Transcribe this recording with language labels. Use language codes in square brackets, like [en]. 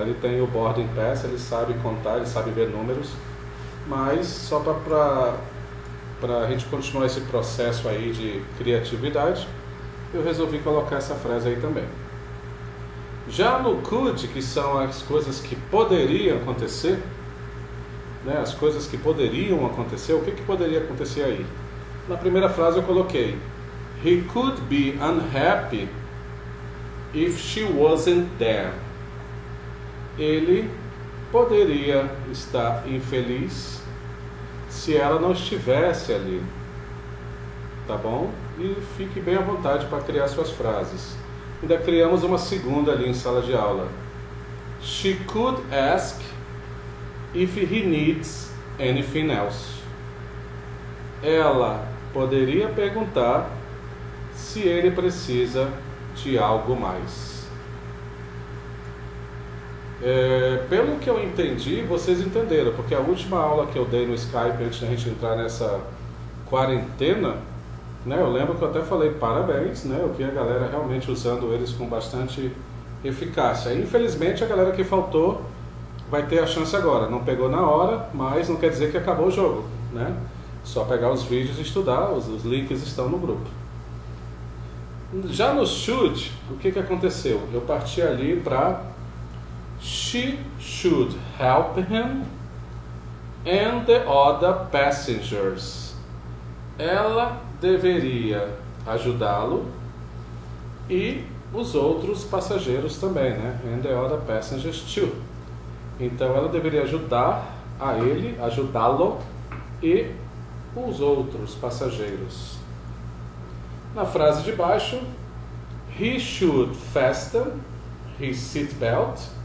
[pt] Ele tem o board impresso, ele sabe contar, ele sabe ver números, mas só para a gente continuar esse processo aí de criatividade, eu resolvi colocar essa frase aí também. Já no could, que são as coisas que poderiam acontecer, né? As coisas que poderiam acontecer, o que que poderia acontecer aí? Na primeira frase eu coloquei: [en] He could be unhappy if she wasn't there. [pt] Ele poderia estar infeliz se ela não estivesse ali. Tá bom? E fique bem à vontade para criar suas frases. Ainda criamos uma segunda ali em sala de aula. [en] She could ask if he needs anything else. [pt] Ela poderia perguntar se ele precisa de algo mais. Pelo que eu entendi, vocês entenderam, porque a última aula que eu dei no Skype antes da gente entrar nessa quarentena, né, eu lembro que eu até falei parabéns, né, eu vi a galera realmente usando eles com bastante eficácia. Infelizmente, a galera que faltou vai ter a chance agora. Não pegou na hora, mas não quer dizer que acabou o jogo, né? Só pegar os vídeos e estudar, os links estão no grupo. Já no should, o que que aconteceu? Eu parti ali para [en] She should help him and the other passengers. [pt] Ela deveria ajudá-lo e os outros passageiros também, né? [en] And the other passengers too. [pt] Então ela deveria ajudar a ele, ajudá-lo e os outros passageiros. Na frase de baixo, [en] he should fasten his seat belt.